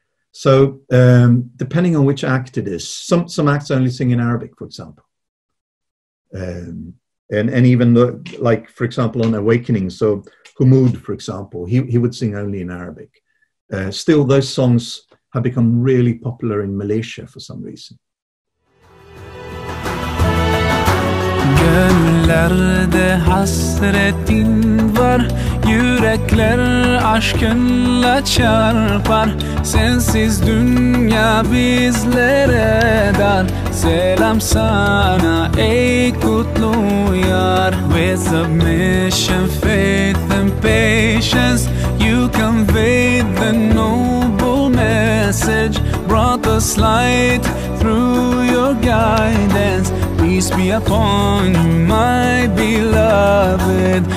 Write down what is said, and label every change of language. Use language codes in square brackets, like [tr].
[en] So depending on which act it is, some acts only sing in Arabic, for example. And even the, like, for example, on Awakening, so Humud, for example, he would sing only in Arabic. Still those songs have become really popular in Malaysia for some reason. [tr] Gönüllerde hasretin var, yürekler aşkınla çarpar. Sensiz dünya bizlere dar. Selam sana ey kutlu yar. [en] With submission, faith and patience, you conveyed the noble message. Brought the light through your guidance. Peace be upon you, my beloved.